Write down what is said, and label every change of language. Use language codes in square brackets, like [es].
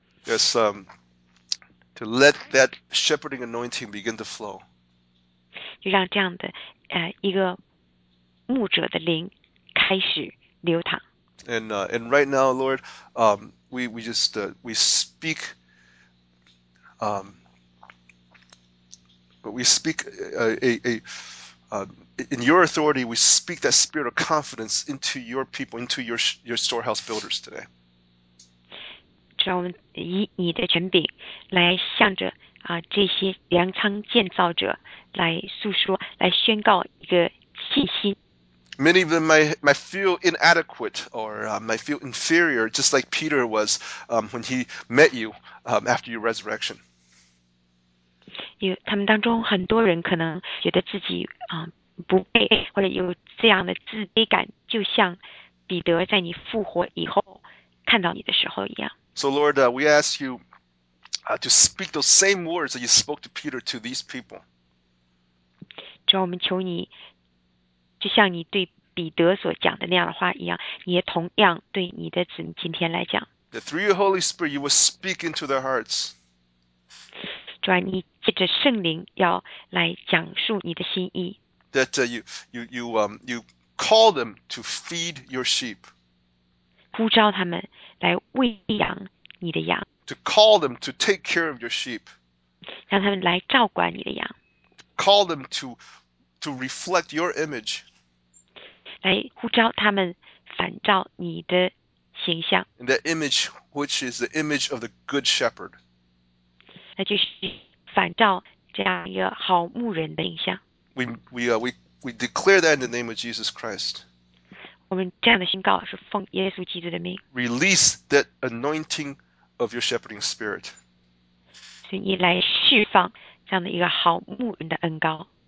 [en] Yes, to let that shepherding anointing begin to flow. [zh] 就让这样的一个牧者的灵开始流淌。 [en] And right now, Lord, we speak, we speak in your authority. We speak that spirit of confidence into your people, into your storehouse builders today. [zh] 让我们以你的权柄来向着啊这些粮仓建造者来诉说，来宣告一个信心。 [en] Many of them might feel inadequate or might feel inferior, just like Peter was when he met you after your resurrection. [zh] 他们当中很多人可能觉得自己不配，或者有这样的自卑感，就像彼得在你复活以后看到你的时候一样。 [en] So Lord, we ask you to speak those same words that you spoke to Peter to these people. [zh] 主，我们求你。就像你对彼得所讲的那样的话一样，你也同样对你的子民今天来讲。 [en] The through your Holy Spirit, you will speak into their hearts. [zh] 主啊，你借着圣灵要来讲述你的心意。 [en] That you call them to feed your sheep. [zh] 呼召他们来喂养你的羊。 [en] To call them to take care of your sheep. [zh] 让他们来照管你的羊。 [en] Call them to reflect your image. [zh] 来呼召他们反照你的形象。 [en] And that image, which is the image of the good shepherd. [zh] 那就是反照这样一个好牧人的形象。 [en] We declare that in the name of Jesus Christ. [zh] 我们这样的宣告是奉耶稣基督的名。 [en] Release that anointing of your shepherding spirit. [zh] 所以你来释放这样的一个好牧人的恩膏。